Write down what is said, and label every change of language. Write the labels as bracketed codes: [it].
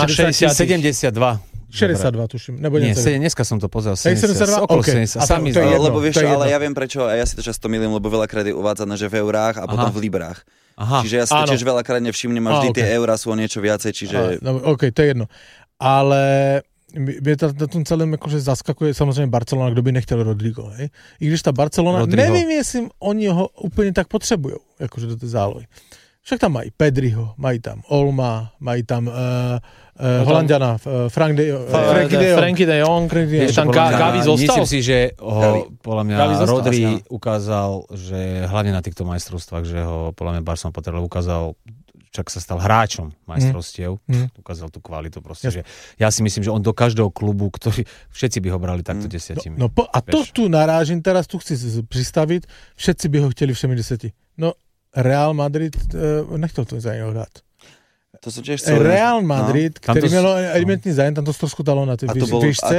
[sk] 72. 62, tuším. Nebo nie, dneska som to pozrel. 72? Okay. 70. Okay. Lebo vieš, ale ja viem prečo, a ja si to často milím, lebo veľakrát je uvádzané, že v eurách a aha, potom v librách. Aha. Čiže ja si to tiež veľakrát nevšimnem, a vždy tie eurá sú o niečo viacej, čiže... Ok, to je jedno. Ale... [cs] Mě to na tom celém jakože zaskakuje samozřejmě Barcelona, kdo by nechtěl Rodrigo, hej? I když ta Barcelona, Rodrigo. Nevím, jestli oni ho úplně tak potřebují, jakože do té zálohy. Však tam mají Pedriho, mají tam Olma, mají tam Holandiana, Frank de Jong. Ještě tam Gavi zůstal. [sk] Myslím si, že ho, podle mě, Rodri ukázal, že hlavně na těchto majstrovstvách, že ho, podle mě, Barcelona potřeboval, ukázal, čak sa stal hráčom majstrovstiev, ukázal tú kvalitu proste. Že ja si myslím, že on do každého klubu, ktorý všetci by ho brali takto desiatimi. To tu narážim teraz, tu chci pristaviť, všetci by ho chteli všemi deseti. No, Real Madrid nechtel to za neho hrať. To som tiež chcel. Real Madrid, no, ktorý mal elementný zájem, tam to stroskutalo na tej výšce.